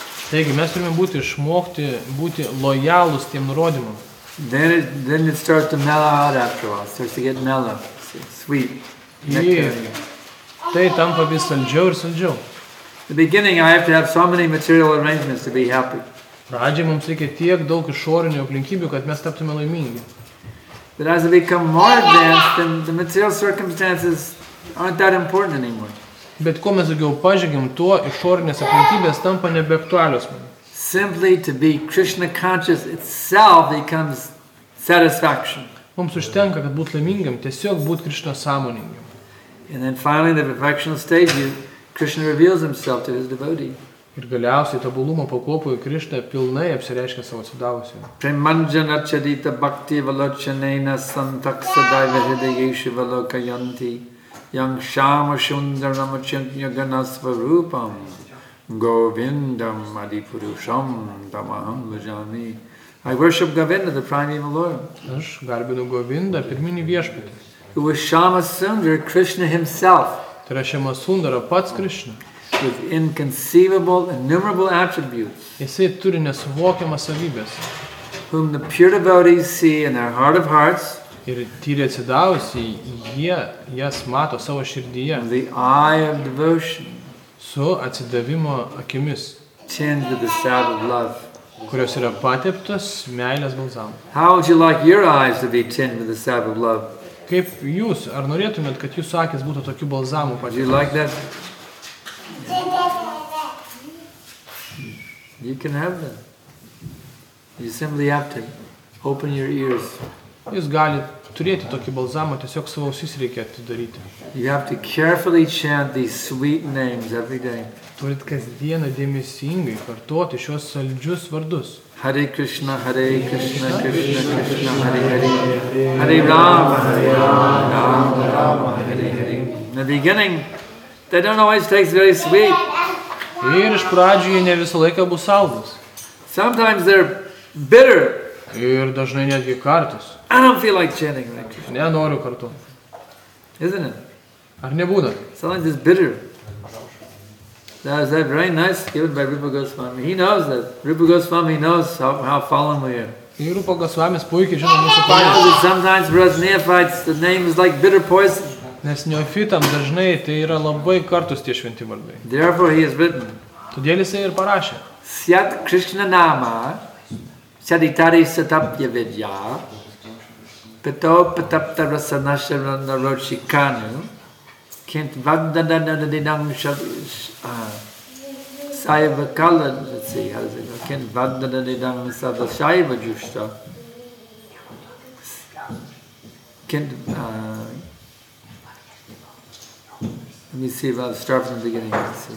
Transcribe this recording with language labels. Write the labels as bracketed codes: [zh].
[lt] Taigi mes turime būti išmokti, būti lojalūs tiem nurodymam. [en] Then it starts to mellow out after all. It starts to get mellow. Sweet. [lt] Tai tampa vis saldžiau ir saldžiau. [en] The beginning I have to have so many material arrangements to be happy. [lt] Pradžiai mums reikia tiek daug išorinių aplinkybių, kad mes taptume laimingi. [en] But as I become more advanced, then the material circumstances aren't that important anymore. [lt] Bet kuo mes daugiau pažengiam, tuo išorinės aplinkybės tampa nebeaktualios man. [en] Simply to be Krishna conscious itself becomes satisfaction. [lt] Mums užtenka, kad būt laimingam, tiesiog būt Krishna sąmoningam. [en] And then finally, in the perfectional stage, Krishna reveals himself to his devotee. [lt] Ir galiausiai tobulumo pakopoje Krishna pilnai apsireiškia savo atsidavusiam. [sa] Premanjana charita bhakti valochanena santaksa daivahidayeshu valokayanti yang shama shundaram chintyagana svarupam govindam adipurusham tamaham vajami. [en] I worship Govinda, the primeval Lord. [lt] Aš garbinu Govinda, pirminį viešpatį. [en] Who was Shama Sundara, Krishna himself. [lt] Tai yra Shama Sundara, pats Krishna. [en] With inconceivable, innumerable attributes. [lt] Jisai turi nesuvokiamas savybės. [en] Whom the pure devotees see in their heart of hearts. [lt] Ir tyri atsidavusi, jie jas mato savo širdyje. [en] The eye of devotion. [lt] Su atsidavimo akimis. [en] Tinged with the salve of love. [lt] Kurios yra pateptos meilės balzamu. [en] How would you like your eyes to be tinged with the salve of love? [lt] Kaip jūs, ar norėtumėt, kad jūsų akis būtų tokiu balzamu pateptos? [en] You like that? You can have them. You simply have to open your ears. [lt] Jūs galite turėti tokį balzamą, tiesiog savo ausis reikia atidaryti. [en] You have to carefully chant these sweet names every day. [lt] Turit kasdieną dėmesingai kartuoti šiuos saldžius vardus. [sa] Hare Krishna, Hare Krishna, Krishna Krishna, Hare Hare. Hare Rama, Hare Rama, Rama Rama, Hare Hare. [en] In the beginning, they don't always taste very sweet. [lt] Ir iš pradžių jie ne visą laiką bus saldus. [en] Sometimes they're bitter. [lt] Ir dažnai netgi kartus. [en] I don't feel like chanting like Krishna. [lt] Nenoriu kartu. [en] Isn't it? [lt] Ar nebūna? [en] Sometimes it's bitter. That is very nice given by Rupa Goswami. He knows that. Rupa Goswami knows how fallen we are. [lt] Ir Rupa Goswami puikiai žino mūsų padėtį. [en] Sometimes for us neophytes, the name is like bitter poison. [lt] Nes neofitam dažnai tai yra labai kartus tie šventi vardai. [en] Therefore he has written. [lt] Todėl jisai ir parašė. [sa] Syat Krishna nama, syaditari satapya vidya, pito patapta rasanasya narochikanu, kint vandana nadadinam shabish, saiva kala, [en] let's see, how does it go, [sa] kint vandana nadadinam sadashaiva jushta, kint, [en] let me see if I'll start from the beginning.